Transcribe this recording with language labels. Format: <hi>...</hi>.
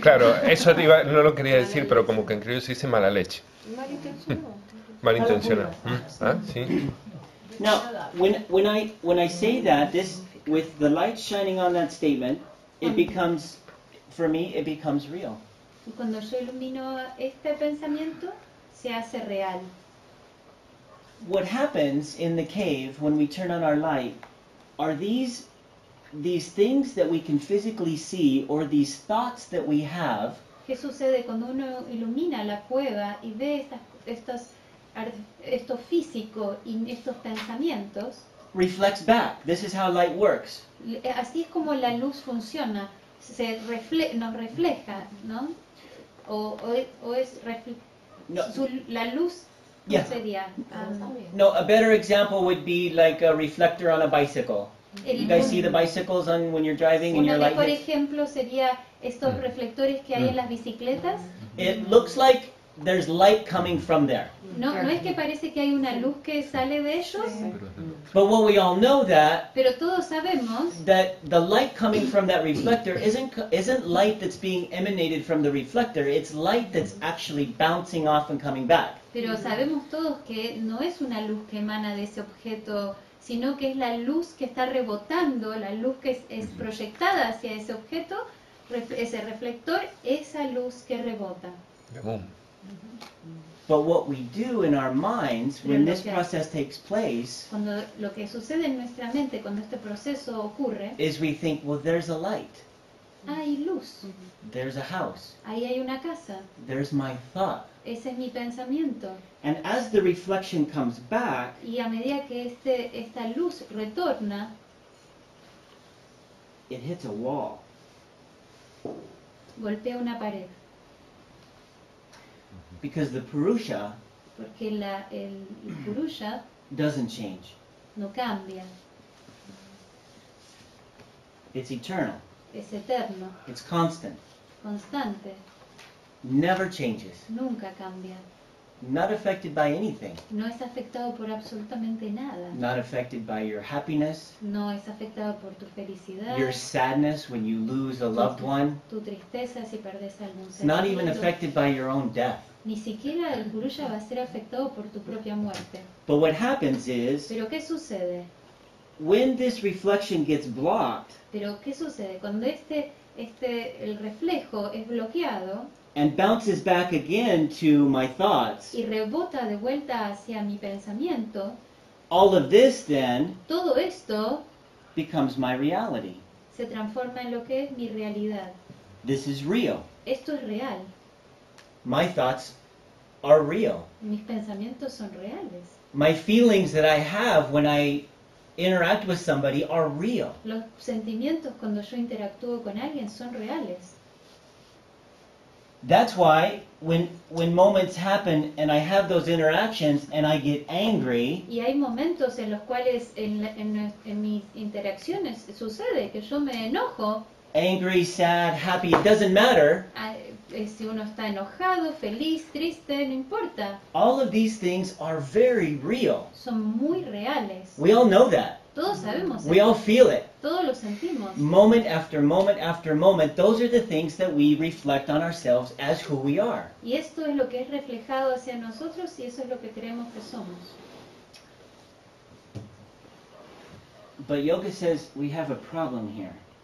<es>Claro, eso no lo quería decir, pero como que en criollo se dice mala leche. Malintencionada. Malintencionada. Ah, sí.</es> <en>Now, when I say that, this with the light shining on that statement, it becomes, for me, it becomes real.</en> <es>Cuando yo ilumino este pensamiento, se hace real.</es> <en>What happens in the cave when we turn on our light are these things that we can physically see or these thoughts that we have.</en> <es>¿Qué sucede cuando uno ilumina la cueva y ve esto físico y estos pensamientos?</es> <en>Reflects back. This is how light works.</en> <es>Así es como la luz funciona. Se nos refleja, ¿no? O es la luz.</es> <en>Yeah. No, a better example would be like a reflector on a bicycle. You guys see the bicycles on when you're driving and you're like.</en> <es>Por ejemplo, sería estos reflectores que hay en las bicicletas.</es> <en>It looks like there's light coming from there.</en> <es>No es que parece que hay una luz que sale de ellos.</es> <en>But what we all know that.</en> <es>Pero todos sabemos</es> <en>that the light coming from that reflector isn't light that's being emanated from the reflector. It's light that's actually bouncing off and coming back.</en> <es>Pero sabemos todos que no es una luz que emana de ese objeto, sino que es la luz que está rebotando, la luz que es proyectada hacia ese objeto, ese reflector, esa luz que rebota.</es> <en>But what we do in our minds when this process takes place,</en> <es>cuando lo que sucede en nuestra mente cuando este proceso ocurre,</es> <en>is we think, well, there's a light.</en> <es>Hay luz.</es> <en>There's a house.</en> <es>Ahí hay una casa.</es> <en>There's my thought.</en> <es>Ese es mi pensamiento.</es> <en>And as the reflection comes back,</en> <es>y a medida que esta luz retorna,</es> <en>it hits a wall.</en> <es>Golpea una pared.</es> <en>Because the purusha,</en> <es>porque el purusha</es> <en>doesn't change.</en> <es>No cambia.</es> <en>It's eternal.</en> <es>Es eterno.</es> <en>It's constant.</en> <es>Constante.</es> <en>Never changes.</en> <es>Nunca cambia.</es> <en>Not affected by anything.</en> <es>No es afectado por absolutamente nada.</es> <en>Not affected by your happiness.</en> <es>No es afectado por tu felicidad.</es> <en>Your sadness when you lose a loved one.</en> <es>Tu tristeza si perdes a algún ser</es> <en>querido. Not even affected by your own death.</en> <es>Ni siquiera el purusha va a ser afectado por tu propia muerte.</es> <en>But what happens is,</en> <es>pero ¿qué sucede?</es> <en>When this reflection gets blocked,</en> <es>pero ¿qué sucede? Cuando el reflejo es bloqueado,</es> <en>and bounces back again to my thoughts,</en> <es>y rebota de vuelta hacia mi pensamiento,</es> <en>all of this then,</en> <es>todo esto,</es> <en>becomes my reality.</en> <es>Se transforma en lo que es mi realidad.</es> <en>This is real.</en> <es>Esto es real.</es> <en>My thoughts are real.</en> <es>Mis pensamientos son reales.</es> <en>My feelings that I have when I interact with somebody are real.</en> <es>Los sentimientos cuando yo interactúo con alguien son reales.</es> <en>That's why when moments happen and I have those interactions and I get angry.</en> <es>Y hay momentos en los cuales en mis interacciones sucede que yo me enojo.</es> <en>Angry, sad, happy, it doesn't matter.</en> <es>Si uno está enojado, feliz, triste, no importa.</es> <en>All of these things are very real.</en> <es>Son muy reales.</es> <en>We all know that.</en> <es>Todos sabemos.</es> <en>We all feel it.</en> <es>Todos lo sentimos.</es> <en>Moment after moment after moment, those are the things that we reflect on ourselves as who we are.</en> <es>Y esto es lo que es reflejado hacia nosotros y eso es lo que creemos que somos.</es> <en>But yoga says we have a problem here.</en>